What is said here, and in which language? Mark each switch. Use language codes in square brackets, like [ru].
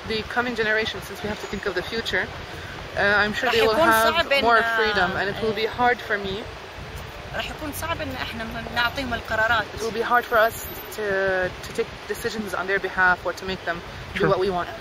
[en] the coming generation since we have to think of the future I'm sure they will have more freedom and it will be hard for me [ar] راح يكون صعب ان احنا نعطيهم القرارات [en] it will be hard for us to take decisions on their behalf or to make them do what we want